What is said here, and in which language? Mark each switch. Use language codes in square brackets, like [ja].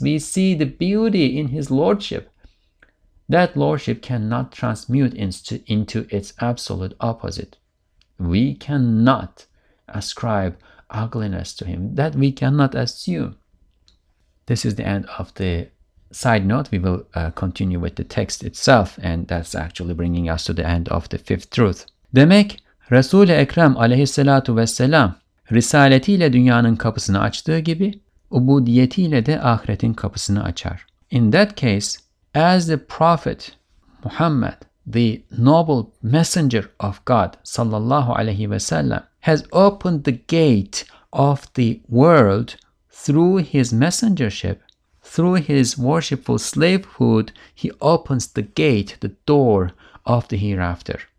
[en] We see the beauty in His Lordship. That Lordship cannot transmute into its absolute opposite. We cannot ascribe ugliness to Him. That we cannot assume. This is the end of the side note. We will continue with the text itself. And that's actually bringing us to the end of the fifth truth. [tr] Demek Resul-i Ekrem aleyhissalatu vesselam risaletiyle dünyanın kapısını açtığı gibi ubudiyetiyle de ahiretin kapısını açar. [en] In that case, as the Prophet Muhammad, the noble messenger of God [ar] sallallahu aleyhi ve sellem, [en] has opened the gate of the world through his messengership, through his worshipful slavehood, he opens the gate, the door of the hereafter.